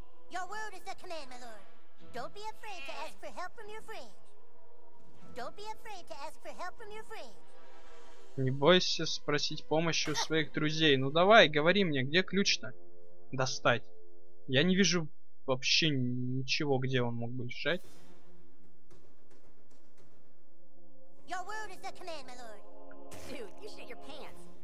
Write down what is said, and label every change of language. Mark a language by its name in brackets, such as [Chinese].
[English] Your word is a command, my lord. Don't be afraid to ask for help from your friends. Don't be afraid to ask for help from your friends. [Russian] Не бойся спросить помощи у своих друзей. Ну давай, говори мне, где ключ-то достать? Я не вижу вообще ничего, где он мог бы лежать. [English] Your word is a command, my lord. Dude, you shit your pants.